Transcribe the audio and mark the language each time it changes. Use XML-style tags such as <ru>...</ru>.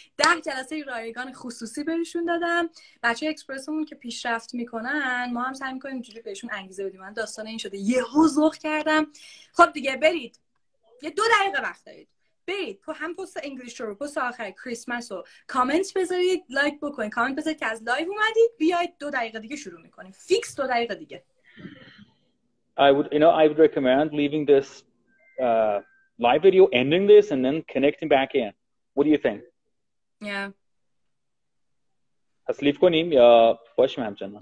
<fa>10 جلسه رایگان خصوصی بهشون دادم. بچه اکسپرسمون که پیشرفت میکنن، ما هم سعی میکنیم اینجوری بهشون انگیزه بدیم. من داستان این شده یهو ذوق کردم. خب دیگه برید یه 2 دقیقه وقت دارید، برید تو هم پست انگلیش رو پست آخر کریسمس رو کامنت بذارید، لایک بکنید، کامنت بذارید که از لایو اومدید. بیاید 2 دقیقه دیگه شروع میکنیم. فیکس 2 دقیقه دیگه.</fa> <en>I would recommend leaving this live video, ending this and then connecting back in. What do you think? Yeah.</en> <fa>پس لیف کنیم یا باشیم همچنان؟</fa>